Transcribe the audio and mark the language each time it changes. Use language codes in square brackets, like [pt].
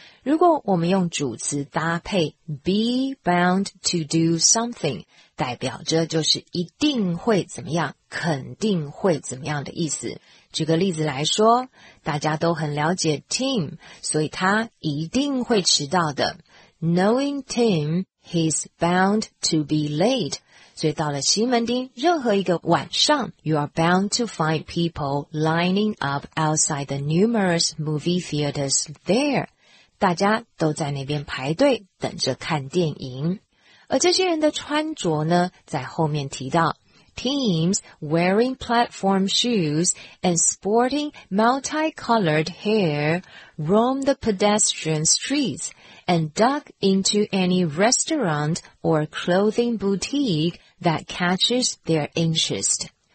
[zh] 如果我们用主词搭配 [en] be bound to do something， [zh] 代表着就是一定会怎么样，肯定会怎么样的意思。举个例子来说，大家都很了解 Tim， 所以他一定会迟到的。 [en] Knowing Tim,He's bound to be late. [zh] 所以到了西门町任何一个晚上 [en] You are bound to find people lining up outside the numerous movie theaters there. [zh] 大家都在那边排队等着看电影。而这些人的穿着呢在后面提到 [en] Teams wearing platform shoes and sporting multicolored hair roam the pedestrian streetsAnd duck into any restaurant or clothing boutique that catches their interest.